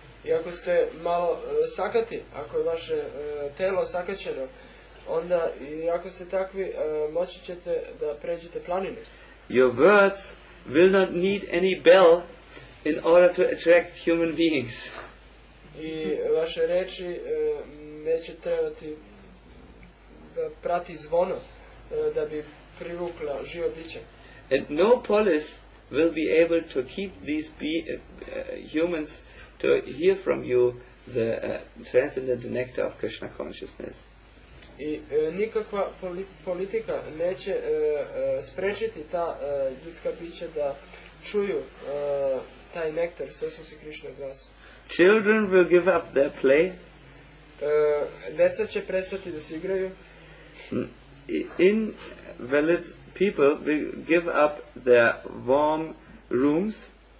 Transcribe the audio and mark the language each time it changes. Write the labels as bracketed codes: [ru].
[sr] I ako ste malo sakati, ako je vaše telo sakaćeno, onda i ako ste takvi, moći ćete da pređete planine. [en] Your words will not need any bell in order to attract human beings. [sr] I vaše reči neće trebati da prati zvono da bi privukla živo biće. [en] And no polis will be able to keep these humans to hear from you the transcendent nectar of Krishna consciousness. [sr] I nikakva politika neće sprečiti ta ljudska bića da čuju taj nektar svesnosti Krišne glas. [en] Children will give up their play. [sr] Deca će prestati da se igraju. [en] Invalid people will give up their warm rooms.